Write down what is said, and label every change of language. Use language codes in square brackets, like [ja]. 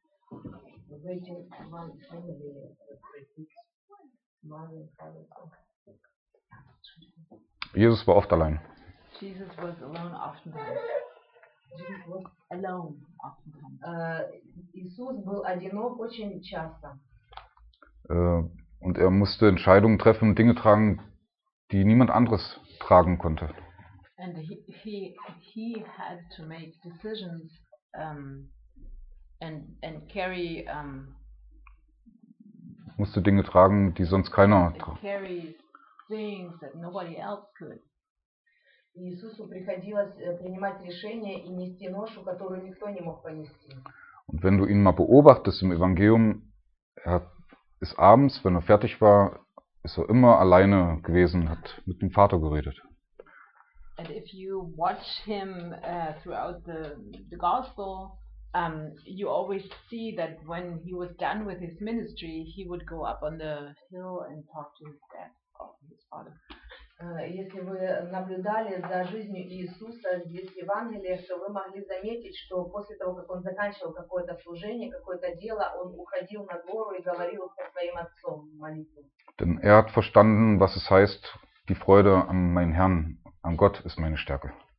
[en] We're waiting for one family. Mother and father. [de] Jesus war oft allein. [en] Jesus was alone oftentimes. Jesus was alone oftentimes. [ru] Иисус был одинок очень часто. [de] Und er musste Entscheidungen treffen, Dinge tragen, die niemand anderes tragen konnte. [en] And he had to make decisions and carry [de] musste Dinge tragen, die sonst keiner [en] carry things that nobody else could. [ru] Иисусу приходилось принимать решения и нести ношу, которую никто не мог понести. [de] Und wenn du ihn mal beobachtest im Evangelium, er ist abends, wenn er fertig war, ist er immer alleine gewesen, hat mit dem Vater geredet. [en] And if you watch him throughout the gospel, you always see that when he was done with his ministry, he would go up on the hill and talk to his dad, his father. [ru] Если вы наблюдали за жизнью Иисуса здесь в Евангелии, то вы могли заметить, что после того, как он заканчивал какое-то служение, какое-то дело, он уходил на гору и говорил со своим отцом в молитву. [de] Denn er hat verstanden, was es heißt, die Freude an meinen Herrn, an Gott ist meine Stärke.